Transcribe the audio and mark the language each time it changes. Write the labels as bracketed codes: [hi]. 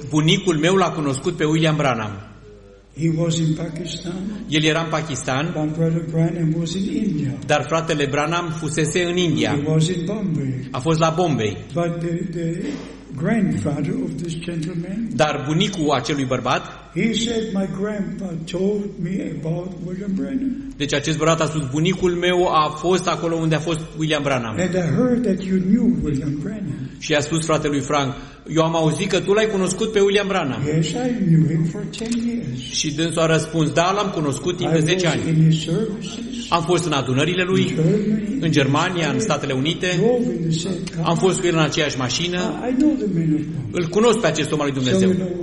[ro] Bunicul meu l-a cunoscut pe William Branham. [en] He was in Pakistan. [ro] El era în Pakistan. [en] My brother Branham was in India. [ro] Dar fratele Branham fusese în India. [en] He was in Bombay. [ro] A fost la Bombay. [en] But the grandfather of this gentleman. [ro] Dar bunicul acelui bărbat. [en] He said my grandpa told me about William Branham. [ro] Deci acest bărbat a spus bunicul meu a fost acolo unde a fost William Branham. [en] And I heard that you knew William Branham. [ro] Și a spus fratelui Frank, eu am auzit că tu l-ai cunoscut pe William Branham. [en] Yes, I knew him for 10 years. [ro] Și dânsul a răspuns, da, l-am cunoscut timp de 10 ani. Am fost în adunările lui, în Germania, în Statele Unite. Am fost cu el în aceeași mașină. Îl cunosc pe acest om al lui Dumnezeu.